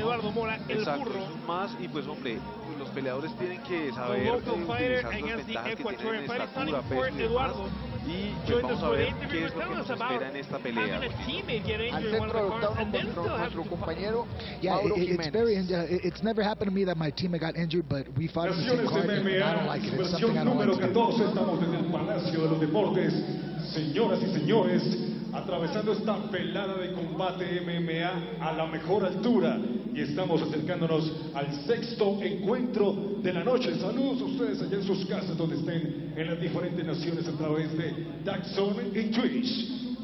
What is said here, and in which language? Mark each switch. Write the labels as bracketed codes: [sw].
[es] Eduardo Mora, el burro. Exacto, un más, y pues hombre... Los peleadores tienen que saber utilizar las ventajas que tienen en estatura, peso y demás. Y pues vamos a ver qué es lo que nos espera en esta pelea. Al centro de octavo contra nuestro compañero Mauro Jiménez. [en] It's never happened to me that my teammate got injured, but we fought in the same card. I don't like it. It's something I don't like. [es] Número 14, estamos en el Palacio de los Deportes. Señoras y señores, atravesando esta pelada de combate MMA a la mejor altura. Y estamos acercándonos al sexto encuentro de la noche. Saludos a ustedes allá en sus casas, donde estén, en las diferentes naciones a través de DAZN y Twitch.